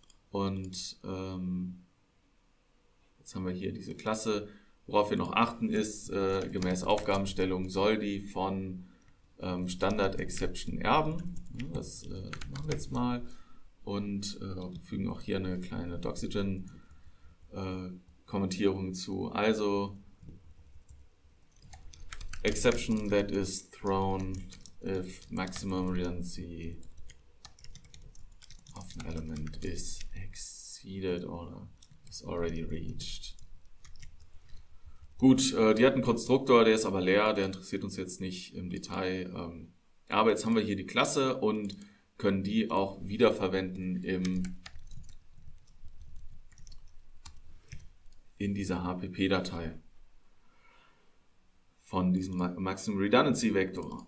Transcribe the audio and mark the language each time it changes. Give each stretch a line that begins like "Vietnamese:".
German: Und jetzt haben wir hier diese Klasse. Worauf wir noch achten ist, gemäß Aufgabenstellung soll die von Standard-Exception erben. Das machen wir jetzt mal. Und fügen auch hier eine kleine Doxygen-Kommentierung zu.
English: Also, Exception that is thrown if maximum redundancy of an element is exceeded or It's already reached.
German: Gut, die hat einen Konstruktor, der ist aber leer, der interessiert uns jetzt nicht im Detail. Aber jetzt haben wir hier die Klasse und können die auch wiederverwenden in dieser HPP-Datei von diesem Maximum Redundancy Vector.